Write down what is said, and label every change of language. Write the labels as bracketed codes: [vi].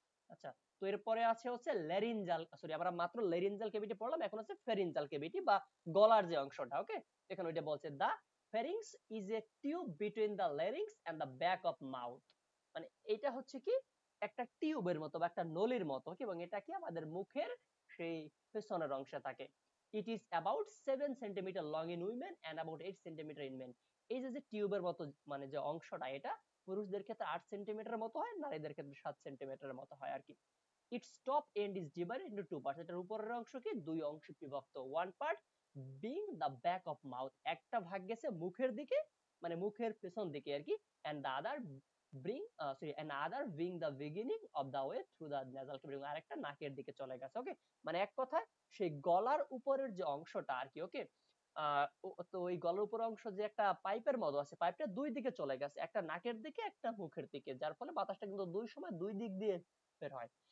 [bn] আচ্ছা, তো এরপরে আছে হচ্ছে ল্যারিঞ্জাল, সরি, আমরা মাত্র ল্যারিঞ্জাল ক্যাভিটি পড়লাম, এখন আছে ফেরিঞ্জাল ক্যাভিটি বা গলার যে অংশটা, ওকে। এখন ওইটা বলছে [en] the pharynx is a tube between the larynx and the back of mouth, [bn] মানে এটা হচ্ছে কি একটা টিউবের মতো বা একটা নলির মতো, এবং এটা কি আমাদের মুখের সেই পেছনের অংশে থাকে। [en] It is about 7 cm long in women and about 8 cm in men. [bn] এই যে টিউবের মতো মানে যে অংশটা, এটা পুরুষদের ক্ষেত্রে 8 cm মতো হয়, নারীদের ক্ষেত্রে 7 cm মতো হয় আর কি। [en] Its top end is divided into two parts. [bn] এটার উপরের অংশকে দুই অংশে বিভক্ত। [en] One part being the back of mouth. [bn] একটা ভাগ গেছে মুখের দিকে, মানে মুখের পেছন দিকে আর কি, [en] and the other bring sorry another being the beginning of the way through the nasal cavity, [bn] আর একটা নাকের দিকে চলে গেছে, ওকে। মানে এক কথায় সেই গলার উপরের যে অংশটা আর কি, ওকে, তো ওই গলার উপর অংশ যে একটা পাইপের মতো আছে, পাইপটা দুই দিকে চলে গেছে, একটা নাকের দিকে একটা মুখের দিকে, যার ফলে বাতাসটা কিন্তু দুই সময় দুই দিক দিয়ে বের হয়।